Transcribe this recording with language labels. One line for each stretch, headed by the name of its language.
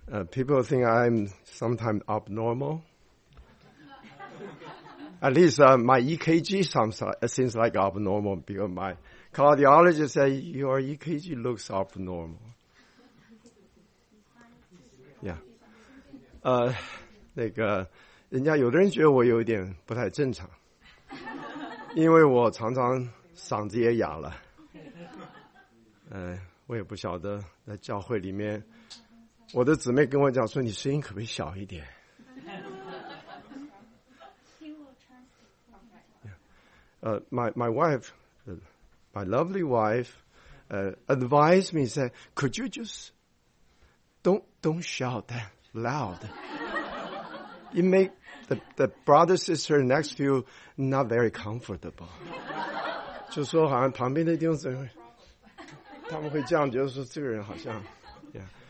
English: People think I'm sometimes abnormal. At least my EKG seems like abnormal because my cardiologist said your EKG looks abnormal. Yeah.
Chinese: 那个人家有的人觉得我有点不太正常，因为我常常嗓子也哑了。我也不晓得在教会里面，我的姊妹跟我讲说你声音可不可以小一点。
English: My wife, my lovely wife, advised me, said, could you just don't shout that loud? It make the brother, sister next to you not very comfortable.
Chinese: 就说好像旁边的弟兄姊妹，他们会这样觉得说这个人好像 ，Yeah.